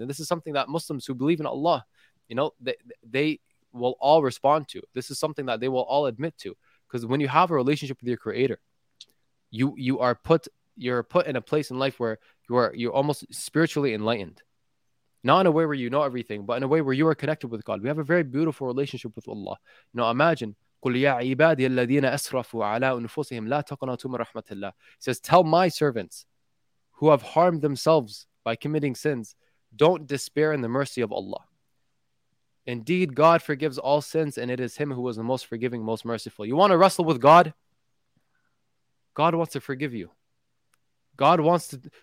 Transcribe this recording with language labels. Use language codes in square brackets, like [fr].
[en] And this is something that Muslims who believe in Allah, you know, they will all respond to. This is something that they will all admit to. Because when you have a relationship with your Creator, you're put in a place in life where you're almost spiritually enlightened. Not in a way where you know everything, but in a way where you are connected with God. We have a very beautiful relationship with Allah. You know, imagine, [ar] قُلْ يَا عِبَادِيَ الَّذِينَ أَسْرَفُوا عَلَىٰ أُنفُسِهِمْ لَا تَقْنَطُوا مِنْ رَحْمَةِ اللَّهِ. [en] He says, tell my servants who have harmed themselves by committing sins, don't despair in the mercy of Allah. Indeed, God forgives all sins, and it is Him who is the most forgiving, most merciful. You want to wrestle with God? God wants to forgive you. God wants to...